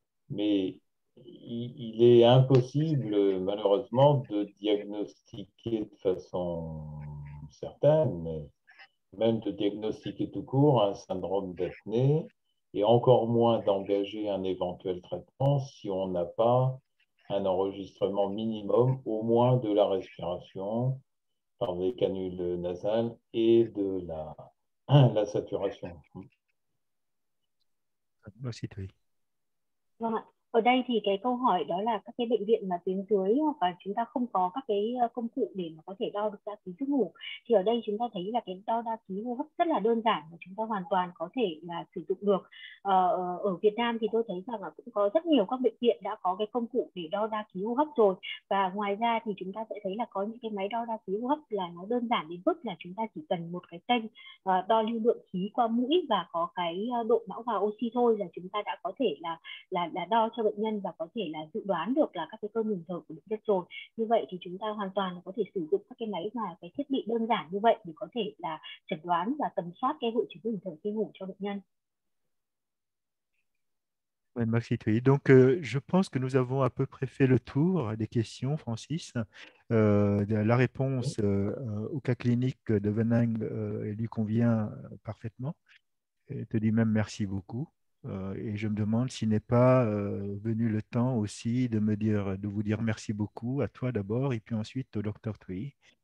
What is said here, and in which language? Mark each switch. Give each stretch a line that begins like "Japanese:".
French: Mais il est impossible, malheureusement, de diagnostiquer de façon certaine, même de diagnostiquer tout court un syndrome d'apnée et encore moins d'engager un éventuel traitement si on n'a pas un enregistrement minimum, au moins de la respiration par des canules nasales et de la saturation. Merci, Thuy. Voilà.
Vietnamese: Ở đây thì cái câu hỏi đó là các cái bệnh viện mà tuyến dưới hoặc là chúng ta không có các cái công cụ để mà có thể đo được đa khí giấc ngủ, thì ở đây chúng ta thấy là cái đo đa khí hô hấp rất là đơn giản và chúng ta hoàn toàn có thể là sử dụng được. Ở Việt Nam thì tôi thấy rằng là cũng có rất nhiều các bệnh viện đã có cái công cụ để đo đa khí hô hấp rồi, và ngoài ra thì chúng ta sẽ thấy là có những cái máy đo đa khí hô hấp là nó đơn giản đến mức là chúng ta chỉ cần một cái kênh đo lưu lượng khí qua mũi và có cái độ bão hòa oxy thôi, là chúng ta đã có thể là đo cho bệnh nhân và có thể là dự đoán được là các cái cơ ngừng thở của bệnh nhân rồi. Như vậy thì chúng ta hoàn toàn có thể sử dụng các cái máy và cái thiết bị đơn giản như vậy để có thể là chẩn đoán và tầm soát cái hội chứng ngừng thở khi ngủ cho bệnh nhân.
French: Merci Thuy. Donc, je pense que nous avons à peu près fait le tour des questions, Francis. La réponse au cas clinique de Venang lui convient parfaitement. Et te dis même merci beaucoup. Et je me demande s'il n'est pas venu le temps aussi de me dire, de vous dire merci beaucoup à toi d'abord et puis ensuite au docteur Thuy.